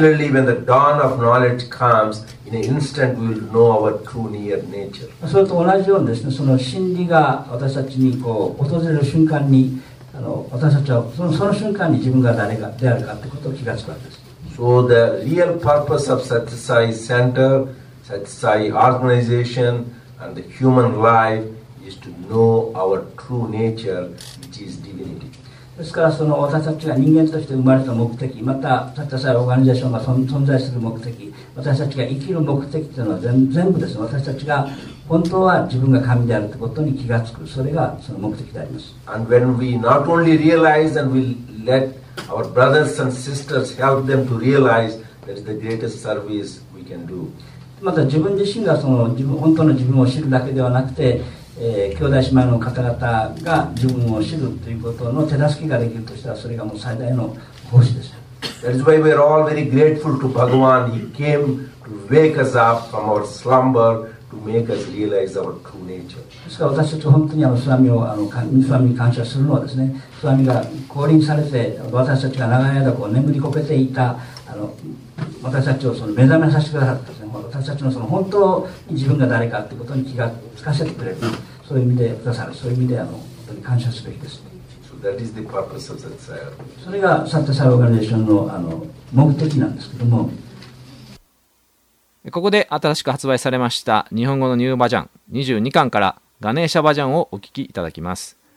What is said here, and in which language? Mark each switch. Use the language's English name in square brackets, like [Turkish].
[English] Similarly, when the dawn of knowledge comes, in an instant we will know our true near nature. [Japanese] それと同じようにですね、その真理が私たちにこう訪れる瞬間に私たちはその瞬間に自分が誰かであるかということを気がつくわけです。 [English] So the real purpose of Satsai Center,Satsai organization and the human life is to know our true nature, which is divinity. [Japanese] ですからその私たちが人間として生まれた目的、またサッタサイオーガニゼーションが存在する目的、私たちが生きる目的というのは 全部です。私たちが本当は自分が神であるということに気がつく、それがその目的であります。 [English] And when we not only realize and we let our brothers and sisters help them to realize, that is the greatest service we can do. [Japanese] また自分自身がその自分本当の自分を知るだけではなくて、兄弟姉妹の方々が自分を知るということの手助けができるとしたら、それがもう最大の奉仕です。 [English] That is why we are all very grateful to Bhagavan. He came to wake us up from our slumber to make us realize our true nature. [Japanese] ですから私たち本当にスワミをスワミに感謝するのはですね、スワミが降臨されて私たちが長い間こう眠りこけていた私たちをその目覚めさせてくださったですね。私たちのその本当に自分が誰かってことに気がつかせてくれる、そういう意味でくださる、そういう意味で本当に感謝すべきです。 [English] So that is the purpose of that sir. [Japanese] それがサッタサイオーガニゼーションの目的なんですけども。ここで新しく発売されました日本語のニューバージョン22巻からガネーシャバージョンをお聞きいただきます。